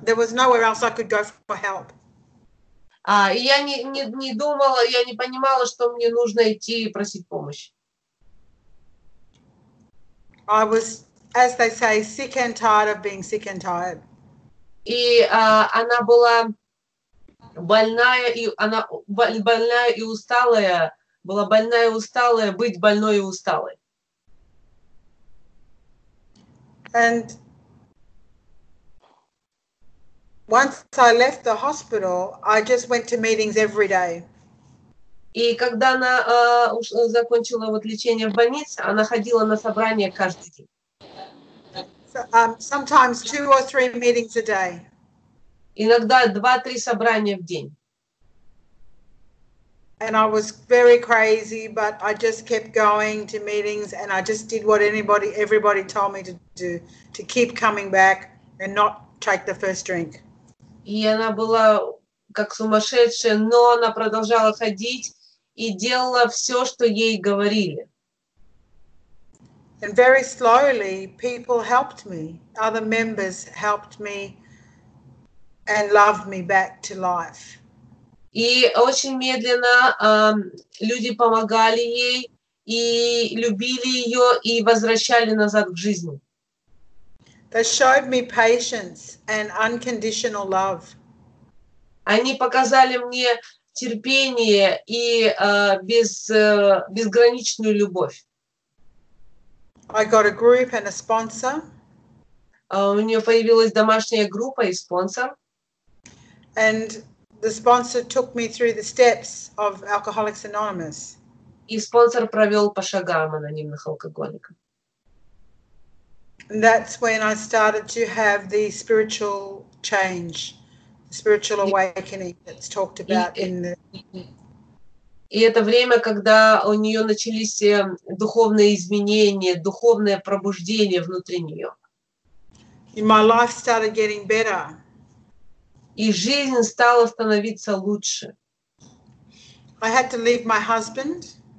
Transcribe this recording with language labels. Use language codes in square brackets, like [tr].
[en] There was nowhere else I could go for help. [ru] Я не думала, я не понимала, что мне нужно идти и просить помощь. [en] I was, as they say, sick and tired of being sick and tired. [ru] И она была больная, и она больная и усталая, была больная и усталая быть больной и усталой. [en] And once I left the hospital, I just went to meetings every day. [ru] И когда она закончила вот лечение в больнице, она ходила на собрания каждый день. [en] Sometimes two or three meetings a day. [ru] Иногда 2-3 собрания в день. [en] And I was very crazy, but I just kept going to meetings and I just did what everybody told me to do, to keep coming back and not take the first drink. [ru] И она была как сумасшедшая, но она продолжала ходить и делала все, что ей говорили. [en] And very slowly people helped me. Other members helped me and loved me back to life. [ru] И очень медленно люди помогали ей и любили ее и возвращали назад к жизни. [en] They showed me patience and unconditional love. [ru] Они показали мне терпение и безграничную любовь. [en] I got a group and a sponsor. [ru] У нее появилась домашняя группа и спонсор. [en] And the sponsor took me through the steps of Alcoholics Anonymous. [ru] И спонсор провел по шагам анонимных алкоголиков. [en] That's when I started to have the spiritual change, the spiritual awakening that's talked about in the. [ru] И это время, когда у нее начались духовные изменения, духовное пробуждение внутри нее. [en] And my life started getting better. [ru] И жизнь стала становиться лучше. [en] I had to leave my husband.